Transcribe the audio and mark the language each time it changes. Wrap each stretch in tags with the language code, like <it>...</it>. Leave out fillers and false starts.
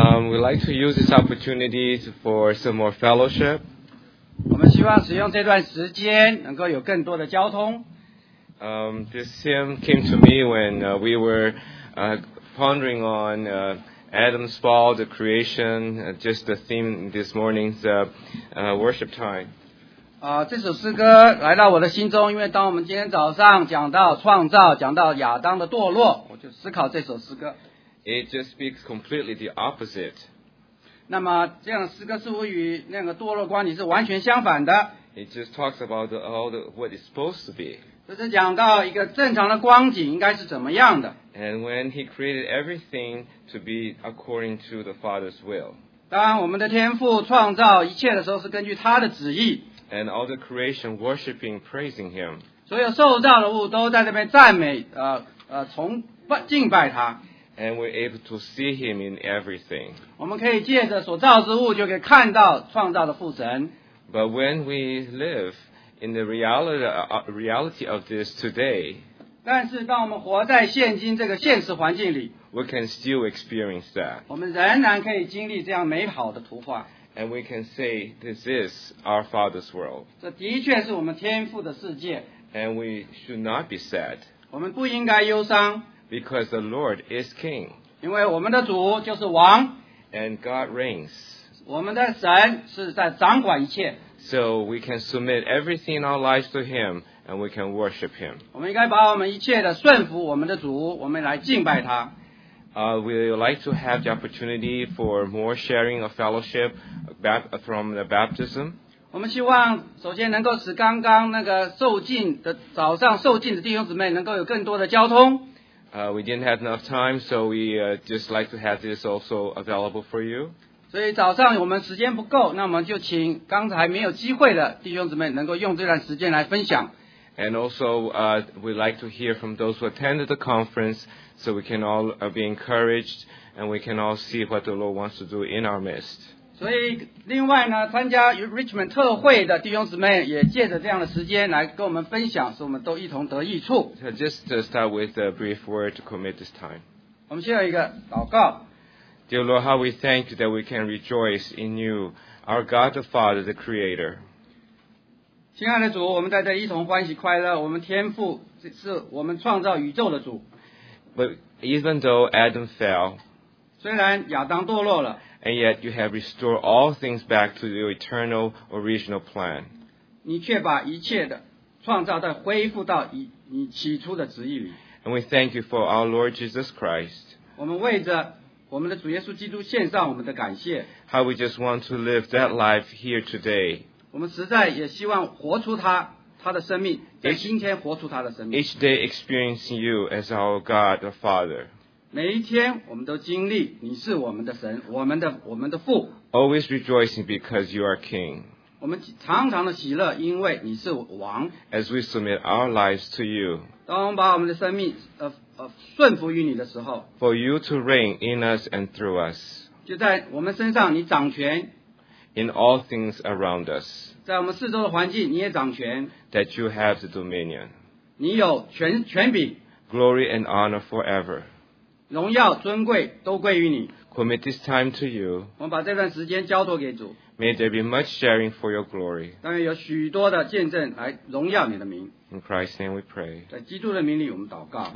<en>We'd like to use this opportunity for some more fellowship.</en> <zh>我们希望使用这段时间能够有更多的交通。</zh> <en>This theme came to me when we were pondering on Adam's fall, the creation, just the theme this morning's worship time.</en> <zh>这首诗歌来到我的心中，因为当我们今天早上讲到创造，讲到亚当的堕落，我就思考这首诗歌。</zh> <en>It just speaks completely the opposite.</en> <zh>那么这样诗歌似乎与那个堕落观点是完全相反的。</zh> <en>It just talks about what it's supposed to be.</en> <zh>就是讲到一个正常的光景应该是怎么样的。</zh> <en>And when he created everything to be according to the Father's will.</en> <zh>当我们的天父创造一切的时候是根据他的旨意。</zh> <en>And all the creation worshiping, praising him.</en> <zh>所有受造的物都在这边赞美崇拜敬拜他。</zh> <en>And we're able to see him in everything.</en> <zh>我们可以借着所造之物就可以看到创造的父神。</zh> <en>But when we live in the reality of this today,</en> <zh>但是当我们活在现今这个现实环境里,</zh> <en>we can still experience that.</en> <zh>我们仍然可以经历这样美好的图画。</zh> <en>And we can say this is our Father's world.</en> <zh>这的确是我们天父的世界。</zh> <en>And we should not be sad.</en> <zh>我们不应该忧伤。</zh> <en>Because the Lord is King.</en> <zh>因为我们的主就是王。</zh> <en>And God reigns.</en> <zh>我们的神是在掌管一切。</zh> <en>So we can submit everything in our lives to Him, and we can worship Him.</en> <zh>我们应该把我们一切的顺服我们的主，我们来敬拜他。</zh> <en>We would like to have the opportunity for more sharing of fellowship from the baptism.</en> <zh>我们希望首先能够使刚刚那个受浸的早上受浸的弟兄姊妹能够有更多的交通。</zh> <en>We didn't have enough time, so we just like to have this also available for you.</en> <zh>所以早上我们时间不够，那我们就请刚才没有机会的弟兄姊妹能够用这段时间来分享。</zh> <en>And also, we'd like to hear from those who attended the conference, so we can all be encouraged, and we can all see what the Lord wants to do in our midst.</en> <zh>所以另外呢，参加 Richmond 特会的弟兄姊妹也借着这样的时间来跟我们分享，使我们都一同得益处。</zh> <en>So just to start with a brief word to commit this time.</en> <zh>我们先有一个祷告。</zh> <en>Dear Lord, how we thank you that we can rejoice in you, our God the Father, the Creator.</en> <zh>亲爱的主，我们在这一同欢喜快乐。我们天父是我们创造宇宙的主。</zh> <en>But even though Adam fell,</en> <zh>虽然亚当堕落了，</zh> <en>and yet you have restored all things back to your eternal original plan.</en> <zh>你却把一切的创造再恢复到你起初的旨意里。</zh> <en>And we thank you for our Lord Jesus Christ.</en> <zh>我们为着我们的主耶稣基督献上我们的感谢。</zh> <en>How we just want to live that life here today.</en> <zh>我们实在也希望活出他的生命，在今天活出他的生命。</zh> <en>Each day experiencing you as our God, the Father.</en> <zh>每一天我们都经历你是我们的神，我们的父。</zh> <en>Always rejoicing because you are King.</en> <zh>我们常常的喜乐，因为你是王。</zh> <en>As we submit our lives to you.</en> <zh>当我们把我们的生命顺服于你的时候。</zh> <en>For you to reign in us and through us.</en> <zh>就在我们身上，你掌权。</zh> <en>In all things around us,</en> <zh>在我们四周的环境，你也掌权。</zh> <en>That you have the dominion,</en> <zh>你有权柄。</zh> <en>Glory and honor forever,</en> <zh>荣耀尊贵都归于你。</zh> <en>Commit this time to you,</en> <zh>我们把这段时间交托给主。</zh> <en>May there be much sharing for your glory,</en> <zh>当然有许多的见证来荣耀你的名。</zh> <en>In Christ's name we pray,</en> <zh>在基督的名里我们祷告。</zh>